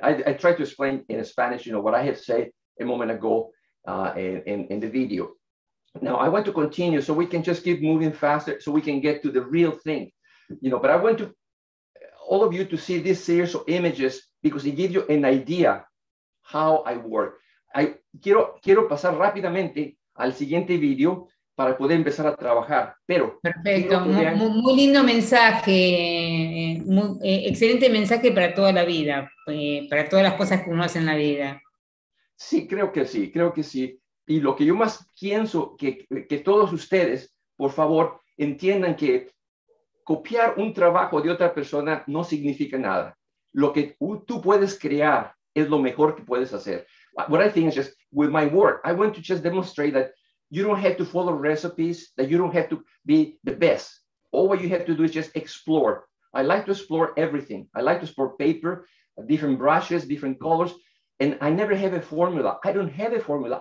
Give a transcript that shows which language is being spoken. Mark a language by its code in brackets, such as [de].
[en] I tried to explain in Spanish, you know, what I have said a moment ago in the video. Now, I want to continue so we can just keep moving faster so we can get to the real thing, you know, but I want to all of you to see this series of images because it gives you an idea how I work. [es] quiero pasar rápidamente al siguiente video para poder empezar a trabajar, pero... Perfecto, muy lindo mensaje, excelente mensaje para toda la vida, para todas las cosas que uno hace en la vida. Sí, creo que sí. Y lo que yo más pienso, que todos ustedes, por favor, entiendan que copiar un trabajo de otra persona no significa nada. Lo que tú puedes crear es lo mejor que puedes hacer. [en] What I think is just, with my work, I want to just demonstrate that you don't have to follow recipes, that you don't have to be the best. All what you have to do is just explore. I like to explore everything. I like to explore paper, different brushes, different colors. And I never have a formula. I don't have a formula.